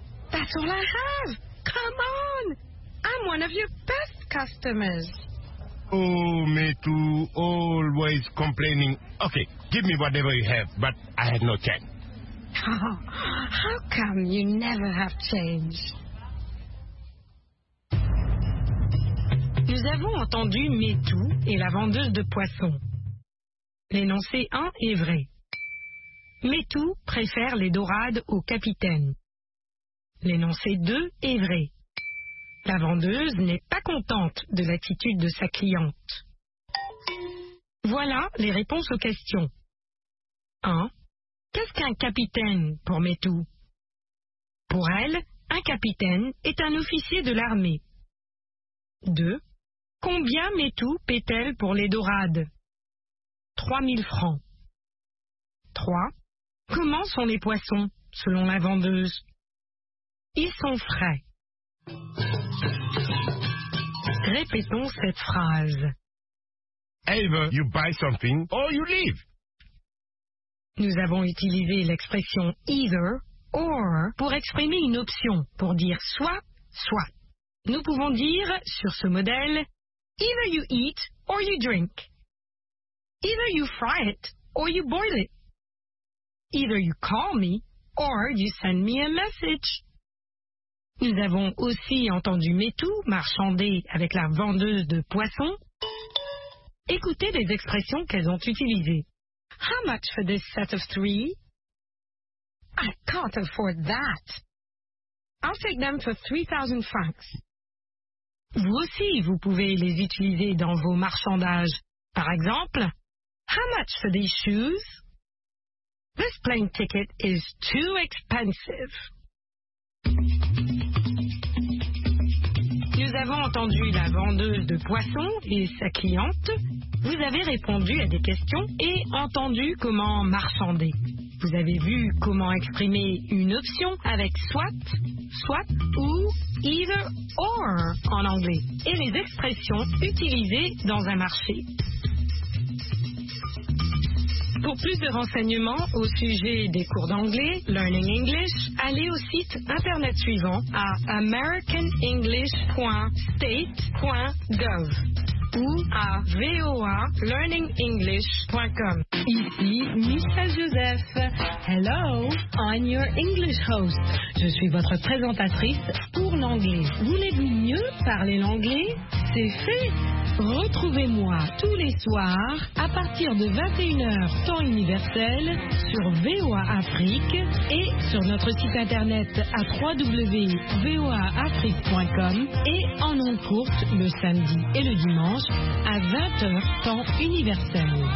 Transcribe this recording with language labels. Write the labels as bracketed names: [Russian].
[English] That's all I have. Come on. I'm one of your best customers. Oh, me too. Always complaining. Okay, give me whatever you have, but I have no change. How come you never have change? [French] Nous avons entendu Métou et la vendeuse de poissons. L'énoncé 1 est vrai. Métou préfère les dorades au capitaine. L'énoncé 2 est vrai. La vendeuse n'est pas contente de l'attitude de sa cliente. Voilà les réponses aux questions. 1. Qu'est-ce qu'un capitaine pour Métou? Pour elle, un capitaine est un officier de l'armée. 2. Combien Métou paie-t-elle pour les dorades? 3000 francs. 3. Comment sont les poissons, selon la vendeuse? Ils sont frais. Répétons cette phrase. [English] Either you buy something or you leave. [French] Nous avons utilisé l'expression [English] either or [French] pour exprimer une option, pour dire soit, soit. Nous pouvons dire sur ce modèle. [English] Either you eat or you drink. Either you fry it or you boil it. Either you call me or you send me a message. [French] Nous avons aussi entendu Métou marchander avec la vendeuse de poissons. Écoutez les expressions qu'elles ont utilisées. [English] How much for this set of three? I can't afford that. I'll take them for 3,000 francs. [French] Vous aussi, vous pouvez les utiliser dans vos marchandages. Par exemple, [English] how much for these shoes? This plane ticket is too expensive. [French] Nous avons entendu la vendeuse de poissons et sa cliente. Vous avez répondu à des questions et entendu comment marchander. Vous avez vu comment exprimer une option avec soit, soit ou [English] either or [French] en anglais et les expressions utilisées dans un marché. Pour plus de renseignements au sujet des cours d'anglais, Learning English, allez au site internet suivant à americanenglish.state.gov. ou à voalearningenglish.com. Ici Missa Joseph. [English] Hello, I'm your English host. [French] Je suis votre présentatrice pour l'anglais. Voulez-vous mieux parler l'anglais? C'est fait! Retrouvez-moi tous les soirs à partir de 21h temps universel sur VOA Afrique et sur notre site internet à www.voaafrique.com et en ondes courtes le samedi et le dimanche à 20h temps universel.